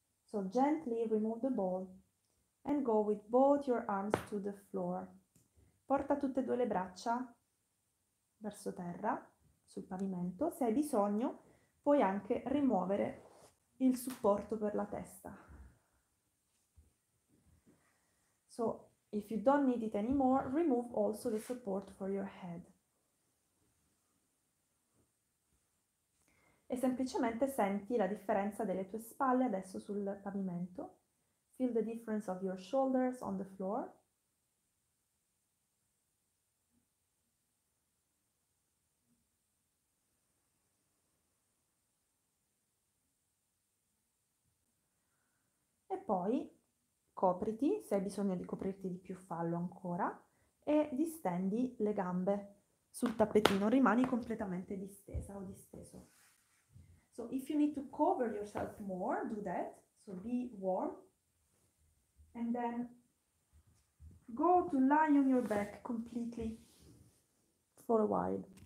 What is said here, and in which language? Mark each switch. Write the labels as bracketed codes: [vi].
[en] So gently remove the ball and go with both your arms to the floor. [it] Porta tutte e due le braccia verso terra, sul pavimento. Se hai bisogno, puoi anche rimuovere il supporto per la testa. [en] So, if you don't need it anymore, remove also the support for your head. [it] E semplicemente senti la differenza delle tue spalle adesso sul pavimento. [en] Feel the difference of your shoulders on the floor. [it] poi copriti, se hai bisogno di coprirti di più, fallo ancora, e distendi le gambe sul tappetino, rimani completamente distesa o disteso. [en] So if you need to cover yourself more, do that. So be warm. And then go to lie on your back completely for a while.